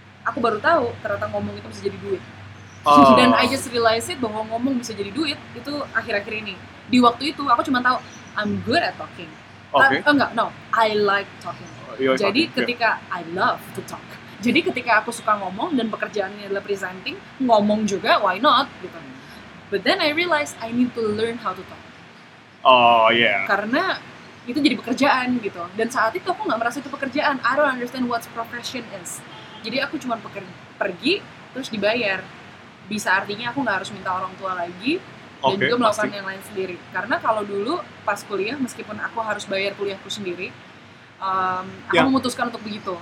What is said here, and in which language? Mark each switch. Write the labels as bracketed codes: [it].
[id] Aku baru tahu ternyata ngomong itu bisa jadi duit. Dan [en] I just realized it [id] bahwa ngomong bisa jadi duit itu akhir-akhir ini. Di waktu itu aku cuma tahu [en] I'm good at talking. I like talking. [id] Ketika [en] I love to talk. [id] Jadi ketika aku suka ngomong dan pekerjaannya adalah presenting, ngomong juga [en] why not [id] gitu. [en] But then I realized I need to learn how to talk. [id] Karena itu jadi pekerjaan gitu. Dan saat itu aku gak merasa itu pekerjaan. [en] I don't understand what profession is. [id] Jadi aku cuma pergi terus dibayar. Bisa artinya aku gak harus minta orang tua lagi. Dan juga melakukan yang lain sendiri. Karena kalau dulu pas kuliah, meskipun aku harus bayar kuliahku sendiri, aku memutuskan untuk begitu.